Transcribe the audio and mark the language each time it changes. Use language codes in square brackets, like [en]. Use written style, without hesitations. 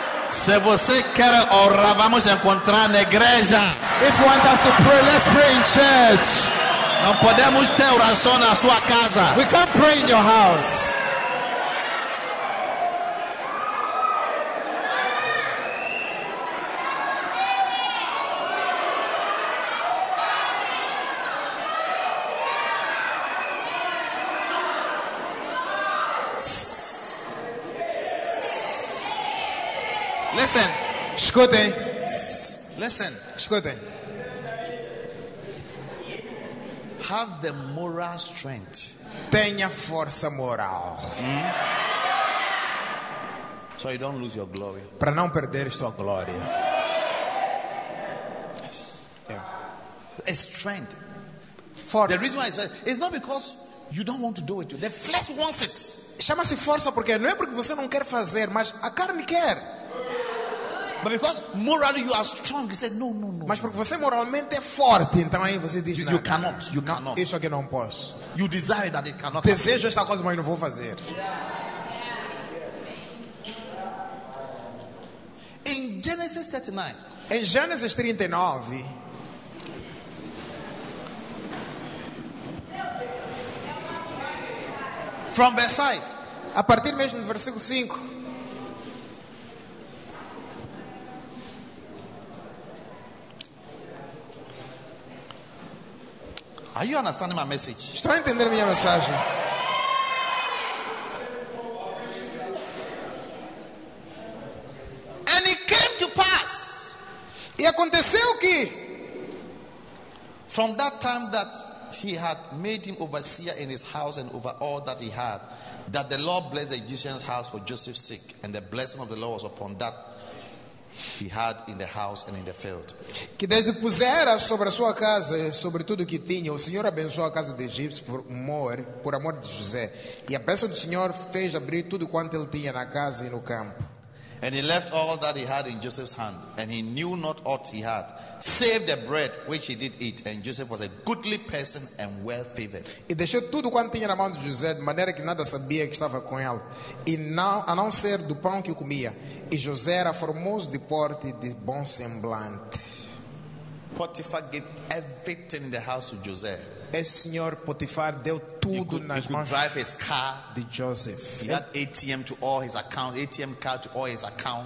[pt] Se você quer orar, vamos encontrar na igreja. [en] If you want us to pray, let's pray in church. [pt] Não podemos ter oração na sua casa. [en] We can't pray in your house. Listen. [pt] Escutem. [en] Listen. [pt] Escutem. [en] Have the moral strength. [pt] Tenha força moral. [en] So you don't lose your glory. [pt] Para não perder sua glória. [en] Yes. Yeah. A strength. Força. The reason why it's not because you don't want to do it. The flesh wants it. [pt] Chama-se força porque não é porque você não quer fazer, mas a carne quer. [en] But because morally you are strong, he said, no. [pt] Mas porque você moralmente é forte, então aí você diz, [en] you cannot. [pt] Isso aqui não posso. [en] You desire that it cannot. [pt] Desejo esta coisa, mas não vou fazer. [en] In Genesis 39. [pt] Em Gênesis 39. [en] From verse 5. [pt] A partir mesmo do versículo 5. [en] Are you understanding my message? [pt] Estão entendendo minha mensagem? [en] And it came to pass. [pt] E aconteceu que [en] from that time that he had made him overseer in his house and over all that he had, that the Lord blessed the Egyptian's house for Joseph's sake, and the blessing of the Lord was upon that he had in the house and in the field. [pt] Que desde pusera sobre a sua casa, sobre tudo que tinha, o Senhor abençoou a casa de Egipto por amor de José. E a bênção do Senhor fez abrir tudo quanto ele tinha na casa e no campo. [en] And he left all that he had in Joseph's hand, and he knew not aught he had, save the bread which he did eat. And Joseph was a goodly person and well favored. [pt] E deixou tudo quanto tinha na mão de José, de maneira que nada sabia que estava com ele, e não, a não ser do pão que comia. E José era formoso de porte e de bom semblante. [en] Potifar gave everything in the house to Joseph. [pt] Esse senhor Potifar deu tudo nas mãos. [en] He could drive his car. [pt] De Joseph. [en] He had ATM to all his accounts. ATM card to all his accounts.